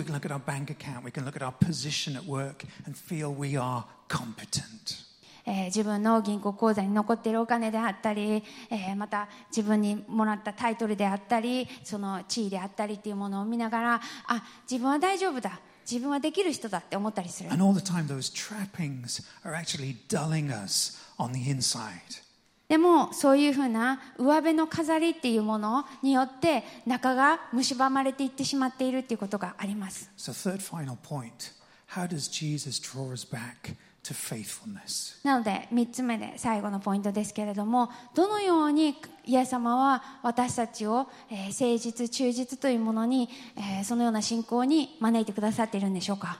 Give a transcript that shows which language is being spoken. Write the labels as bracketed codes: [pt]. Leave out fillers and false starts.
[en] We can look at our bank account. We can look at our position at work and feel we are competent. [ja] 自分の銀行口座に残っているお金であったり、また自分にもらったタイトルであったりその地位であったりというものを見ながらあ、自分は大丈夫だ自分はできる人だって思ったりする。 [en] And all the time those trappings are actually dulling us on the inside. [ja] でもそういうふうな上辺の飾りっていうものによって中が蝕まれていってしまっているっていうことがあります。 [en] So third final point How does Jesus draw us backTo faithfulness. [ja] なので3つ目で最後のポイントですけれども、どのようにイエス様は私たちを、誠実忠実というものに、そのような信仰に招いてくださっているんでしょうか。